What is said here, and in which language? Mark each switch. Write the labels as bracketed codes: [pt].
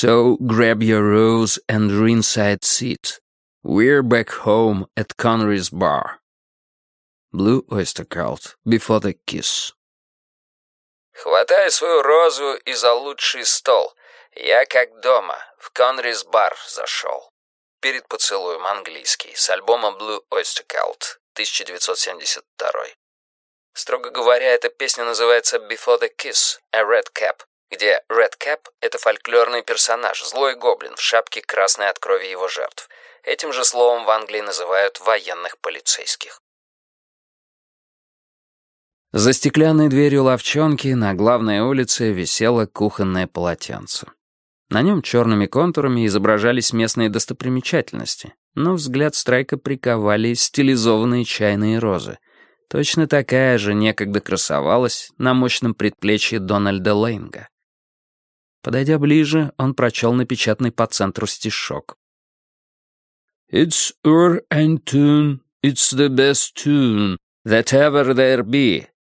[en] So grab your rose and ringside seat. We're back home at Connery's bar. Blue Oyster Cult before the kiss. [ru] Хватай свою розу и за лучший стол. Я как дома, в Connery's bar зашел. Перед поцелуем английский с альбома Blue Oyster Cult 1972. Строго говоря, эта песня называется Before the Kiss, A Red Cap, где Red Cap — это фольклорный персонаж, злой гоблин в шапке красной от крови его жертв. Этим же словом в Англии называют военных полицейских. За стеклянной дверью ловчонки на главной улице висело кухонное полотенце. На нем черными контурами изображались местные достопримечательности, но взгляд Страйка приковали стилизованные чайные розы. Точно такая же некогда красовалась на мощном предплечье Дональда Лейнга. Подойдя ближе, он прочел напечатанный по центру стишок. [en] «It's ur and tune, it's the best tune that ever there be.